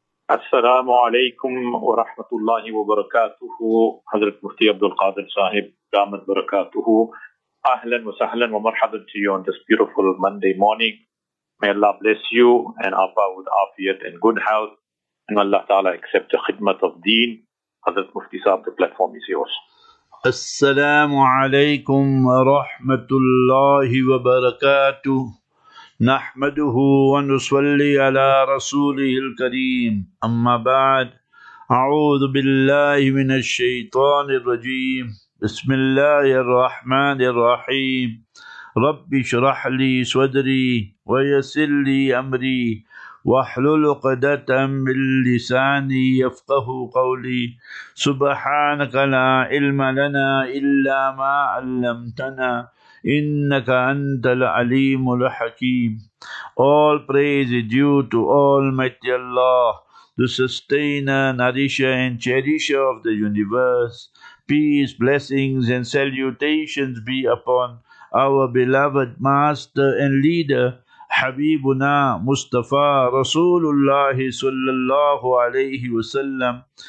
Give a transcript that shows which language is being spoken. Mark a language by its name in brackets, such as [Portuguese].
[Arabic] السلام عليكم ورحمة الله وبركاته، حضرة مفتي عبد القادر صاحب دامت بركاته. أهلا وسهلا ومرحبا [English] to you on this beautiful Monday morning. May Allah bless you and Appa with Afiyat and good health. And Allah Ta'ala accept the khidmat of deen. حضرة مفتي صاحب, the platform is yours. [Arabic] السلام عليكم ورحمة الله وبركاته. نحمده ونصلي على رسوله الكريم. أما بعد، أعوذ بالله من الشيطان الرجيم. بسم الله الرحمن الرحيم. رب اشرح لي صدري ويسر لي أمري واحلل عقدة من لساني يفقه قولي. سبحانك لا علم لنا إلا ما علمتنا إنك أنت العليم الحكيم. [English] All praise is due to Almighty Allah, the sustainer, nourisher and cherisher of the universe. Peace, blessings and salutations be upon our beloved master and leader, Habibuna Mustafa Rasulullah sallallahu alayhi wa sallam.